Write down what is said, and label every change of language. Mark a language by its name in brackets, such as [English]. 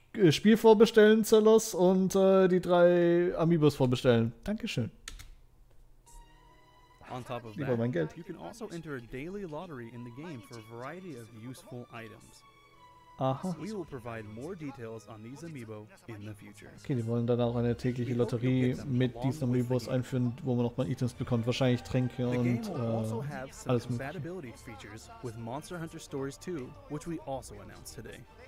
[German] Spiel vorbestellen, Zellos, und die drei Amiibos vorbestellen. Dankeschön. [English] On top of [German] lieber [English] that, [German] mein Geld. [English] You can also enter a daily lottery in the game for a variety of useful items. Aha. We will provide more details on these Amiibo in the future. [German] Okay, die wollen dann auch eine tägliche Lotterie mit diesen Amiibos einführen, wo man nochmal Items bekommt. Wahrscheinlich Tränke und alles mögliche. Okay.